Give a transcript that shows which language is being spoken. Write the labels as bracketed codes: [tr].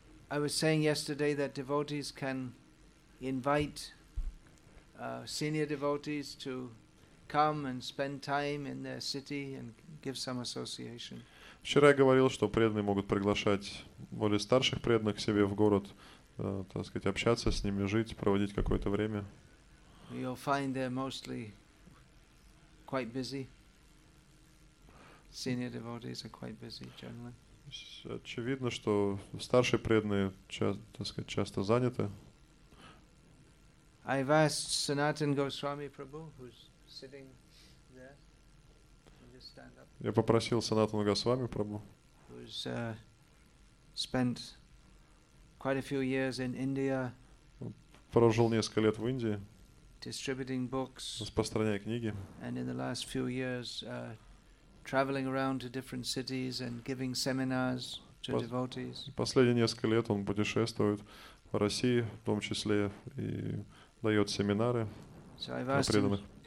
[en] I was saying yesterday that devotees can invite senior devotees to come and spend time in their city and give some association. [ru] Вчера я говорил, что преданные могут приглашать более старших преданных к себе в город, так сказать, общаться с ними, жить, проводить какое-то время. [en] You'll find they're mostly quite busy. Senior devotees are quite busy generally. [ru] Очевидно, что старшие преданные часто заняты. [en] I've asked Sanatan Goswami Prabhu, who's sitting there, and just stand up. [ru] Я попросил Санатана Госвами Прабху. [en] Who's spent quite a few years in India. [ru] Прожил несколько лет в Индии. [en] Distributing books. [ru] Распространяя книги. [en] And in the last few years, traveling around to different cities and giving seminars to devotees. [ru] Последние несколько лет он путешествует по России, в том числе и дает семинары для преданных.